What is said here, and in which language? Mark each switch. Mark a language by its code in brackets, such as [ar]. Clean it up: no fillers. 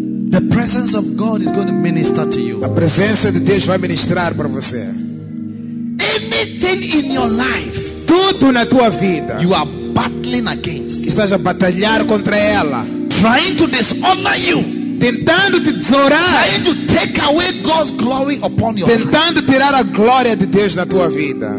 [en] the presence of God is going to minister to you. [pt] A presença de Deus vai ministrar para você. [en] Anything in your life, [pt] tudo na tua vida, [en] you are battling against, [pt] que estás a batalhar contra ela, [en] trying to dishonor you, [pt] tentando te desonrar, [en] trying to take away God's glory upon your, [pt] tentando tirar a glória de Deus da tua vida.